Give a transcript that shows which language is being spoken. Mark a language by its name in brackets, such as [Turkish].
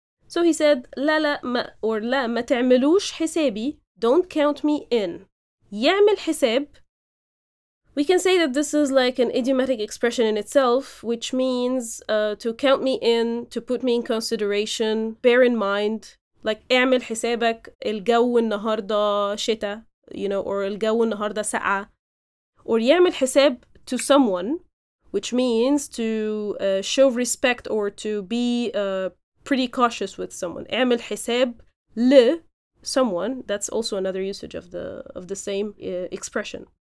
[English] So he said, [Arabic] لا ما تعملوش حسابي, [English] don't count me in. [Arabic] يعمل حساب. [English] We can say that this is like an idiomatic expression in itself, which means to count me in, to put me in consideration, bear in mind. Like, [Arabic] اعمل حسابك الجو النهاردة شتا, [English] you know, or [Arabic] الجو النهاردة ساعة. [English] Or [Arabic] يعمل حساب [English] to someone, which means to show respect or to be pretty cautious with someone. [Arabic] اعمل حساب ل [English] someone. That's also another usage of the same expression.